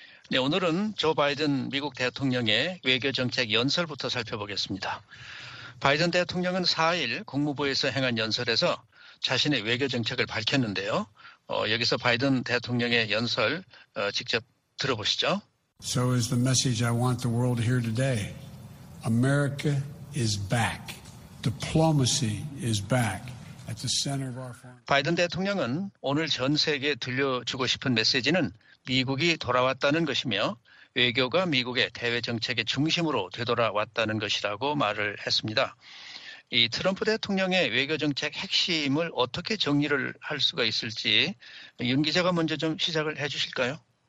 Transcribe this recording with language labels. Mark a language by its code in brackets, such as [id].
[ko] 네, 오늘은 조 바이든 미국 대통령의 외교정책 연설부터 살펴보겠습니다. 바이든 대통령은 4일 국무부에서 행한 연설에서 자신의 외교정책을 밝혔는데요. 여기서 바이든 대통령의 연설 직접 들어보시죠. [en] So is the message I want the world to hear today. America is back. Diplomacy is back at the center of our foreign. [ko] 바이든 대통령은 오늘 전 세계에 들려주고 싶은 메시지는 미국이 돌아왔다는 것이며 외교가 미국의 대외 정책의 중심으로 되돌아왔다는 것이라고 말을 했습니다. 이 트럼프 대통령의 외교 정책 핵심을 어떻게 정리를 할 수가 있을지 윤 기자가 먼저 좀 시작을 해 주실까요?